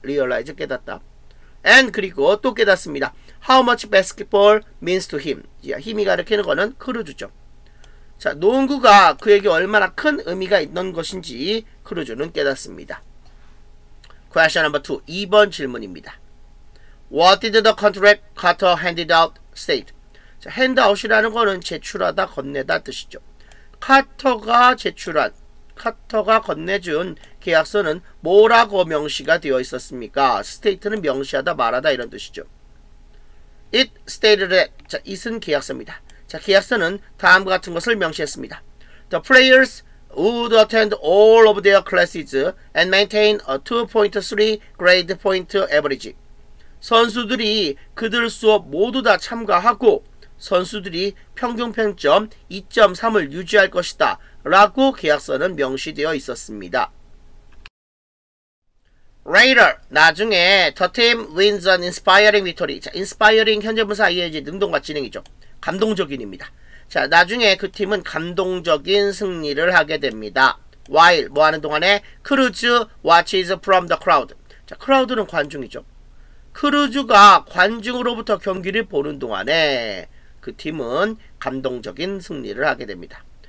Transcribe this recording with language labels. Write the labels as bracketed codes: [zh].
[ko] Realize, 깨닫다. And 그리고 또 깨닫습니다. [en] How much basketball means to him. [ko] 힘이 가르치는 거는 크루즈죠. 자, 농구가 그에게 얼마나 큰 의미가 있는 것인지 크루즈는 깨닫습니다. [en] Question number 2, [ko] 2번 질문입니다. [en] What did the contract Carter handed out state? [ko] 자, handout이라는 거는 제출하다, 건네다 뜻이죠. 카터가 제출한, 카터가 건네준 계약서는 뭐라고 명시가 되어 있었습니까? state는 명시하다, 말하다 이런 뜻이죠. [en] It stated that, [ko] 자, it은 계약서입니다. 자, 계약서는 다음과 같은 것을 명시했습니다. [en] The players would attend all of their classes and maintain a 2.3 grade point average. [ko] 선수들이 그들 수업 모두 다 참가하고 선수들이 평균 평점 2.3을 유지할 것이다 라고 계약서는 명시되어 있었습니다. [en] Later, [ko] 나중에 [en] the team wins an inspiring victory. [ko] 자, inspiring 현재분사 ing 능동과 진행이죠. 감동적인입니다. 자, 나중에 그 팀은 감동적인 승리를 하게 됩니다. [en] While, [ko] 뭐하는 동안에 [en] 크루즈 watches from the crowd. [ko] 자, 크라우드는 관중이죠. 크루즈가 관중으로부터 경기를 보는 동안에 그 팀은 감동적인 승리를 하게 됩니다.